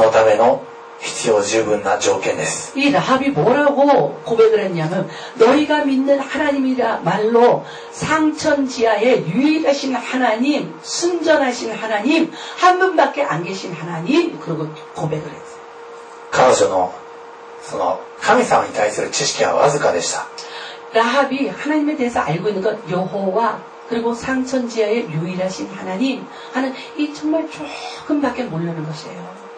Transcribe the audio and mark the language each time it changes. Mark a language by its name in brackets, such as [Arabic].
[Japanese] 主こそただ一人唯一の神であり、このお方以外に救いはないというその告白、これが救いのための必要十分な条件です。 [Korean] 이 라합이 뭐라고 고백을 했냐면 너희가 믿는 하나님이라말로 상천지하의 유일하신 하나님, 순전하신 하나님, 한 분밖에 안 계신 하나님 그리고 고백을 했어요. [Japanese] 神様に対する知識はわずかでした。 [Korean] 라합이 하나님에 대해서 알고 있는 건 여호와 그리고 상천지하의 유일하신 하나님 하는 이 정말 조금밖에 모르는 것이에요.